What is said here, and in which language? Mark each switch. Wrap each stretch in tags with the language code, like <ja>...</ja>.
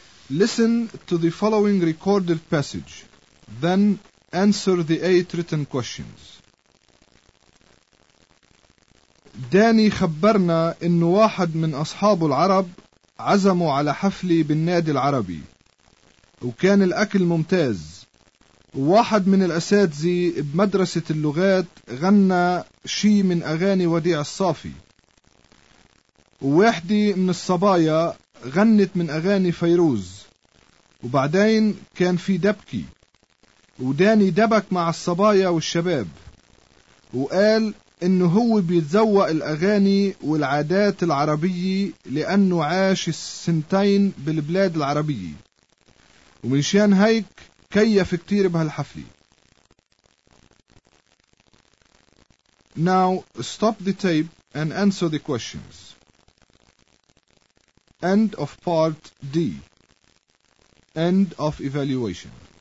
<en>Listen to the following recorded passage, then answer the 8 written questions.</en> <ar>داني خبرنا إنه واحد من أصحاب العرب عزموا على حفلة بالنادي العربي وكان الأكل ممتاز. واحد من الأساتذة بمدرسة اللغات غنى شي من أغاني وديع الصافي. واحدة من الصبايا غنت من أغاني فيروز. وبعدين كان في دبكي وداني دبك مع الصبايا والشباب وقال انه هو بيتذوق الاغاني والعادات العربية لانه عاش السنتين بالبلاد العربية ومنشان هيك كيف كتير بهالحفلة.</ar> <en>Now stop the tape and answer the questions. End of part D. End of evaluation.</en>